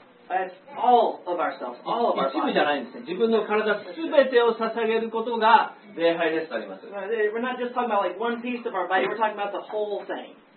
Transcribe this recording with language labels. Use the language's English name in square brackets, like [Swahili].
[English] It's all of ourselves, all of our bodies. [Japanese] 一部じゃないんですね。自分の体全てを捧げることが礼拝ですとあります。 [English] We're not just talking about like one piece of our body, we're talking about the whole thing.